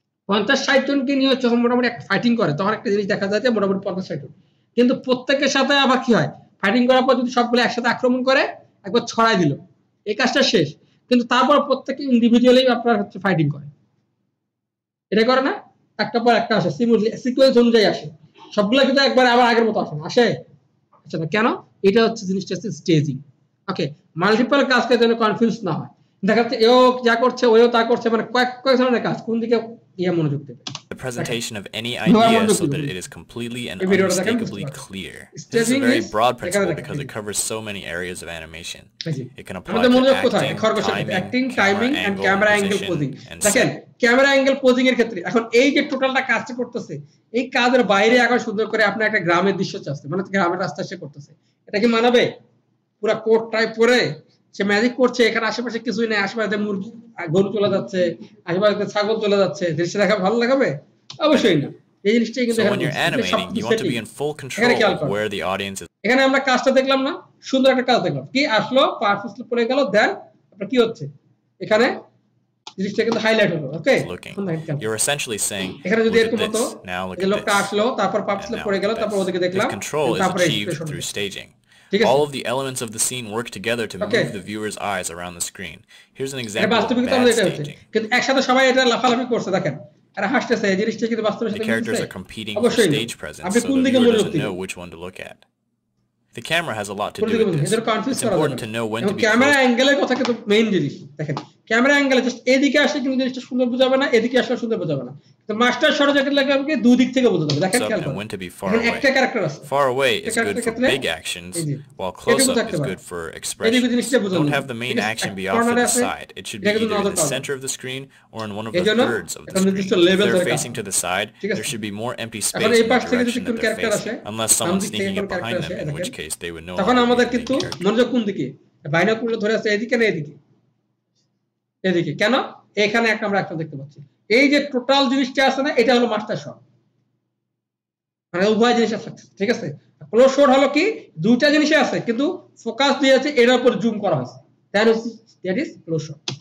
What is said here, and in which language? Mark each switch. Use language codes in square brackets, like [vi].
[bn] 50-60 জনকে নিয়ে যখন মোটামুটি ফাইটিং করে, তখন একটা জিনিস দেখা যায় যে মোটামুটি 50-60 জন, কিন্তু প্রত্যেকের সাথে আবার কি হয়, ফাইটিং করার পর যদি সবগুলো একসাথে আক্রমণ করে একবার ছড়াই দিল, এই কাজটা শেষ, কিন্তু তারপর প্রত্যেকে ইন্ডিভিজুয়ালি আপনার হচ্ছে ফাইটিং করে, এটা করে না, একটা পর একটা আসে, সিমুলি সিকোয়েন্স অনুযায়ী আসে, সবগুলো কিন্তু একবার আবার আগের মতো আসে না, আসে আচ্ছা না, কেন? এটা হচ্ছে জিনিসটা হচ্ছে স্টেজিং। ওকে, মাল্টিপল কাজকে যেন কনফিউজ না হয়, দেখা যাচ্ছে এও যা করছে ওয়েও তা করছে, মানে কয়েক কয়েক ধরনের কাজ, কোন দিকে ইয়ে মনোযোগ দেবে, [en] the presentation of any idea so that it is completely and unmistakably clear. This is a very broad principle because it covers so many areas of animation. It can apply to acting, timing, and camera angle posing. [bn] দেখেন camera angle posing এর ক্ষেত্রে এখন এই যে টোটালটা কাজটা করতেছে, এই কাজের বাইরে এখন সুন্দর করে আপনি একটা গ্রামের দৃশ্য চাচ্ছে, মানে গ্রামের রাস্তা সে করতেছে, এটা কি মানাবে? পুরো কোট টাই পরে সে ম্যাজিক করছে, এখানে আশেপাশে কিছুই নেই, আশেপাশে মুরগি গরু চলে যাচ্ছে, আশেপাশে ছাগল চলে যাচ্ছে, দৃশ্য দেখা ভালো লাগবে? অবশ্যই না। এই জিনিসটাই কিন্তু এখানে আমরা কাজটা দেখলাম না, সুন্দর একটা কাজ দেখলাম, কি আসলো পারফেক্টলি পড়ে গেল, দেন আপনার কি হচ্ছে এখানে জিনিসটা কিন্তু হাইলাইট হলো। ওকে, [en] you are essentially saying, [bn] এখানে যদি এরকম হতো, লোকটা আসলো, তারপর পারফেক্টলি পড়ে গেল, তারপর ওদিকে দেখলাম, তারপর এই staging, [en] All of the elements of the scene work together to move the viewer's eyes around the screen. Here's an example of bad staging. The characters are competing for stage presence, so the viewer doesn't know which one to look at. The camera has a lot to do with this. It's important to know when to be [bn] camera angle just এদিকে আসে কিন্তু জিনিসটা সুন্দর বোঝাবে না এদিকে আসলে সুন্দর বোঝাবে না কিন্তু মাস্টার সরে যেতে লাগে আমাকে দুই দিক থেকে বোঝাতে হবে দেখেন খেয়াল করুন এখানে একটা ক্যারেক্টার আছে [en] far away is good for big actions while close up is good for expressions don't have the main action be off to the side it should be either in the center of the screen or in one of the thirds of the screen if they're facing to the side there should be more empty space [bn] এই পাশ থেকে যদি কোন character আসে [en] unless someone's sneaking up behind them in which case they would know [bn] তখন আমাদের কিন্তু মনোযোগ কোন দিকে বাইনোকুলার ধরে আছে এদিকে না এদিকে এদিকে কেন এখানে একটা আমরা একটা দেখতে পাচ্ছি এই যে টোটাল জিনিসটা আছে না এটা হলো মাস্টার শট মানে উভয় জিনিস আছে ঠিক আছে ক্লোজ শট হলো কি দুইটা জিনিসই আছে কিন্তু ফোকাস দিয়ে আছে এর উপর জুম করা আছে [en] that is close shot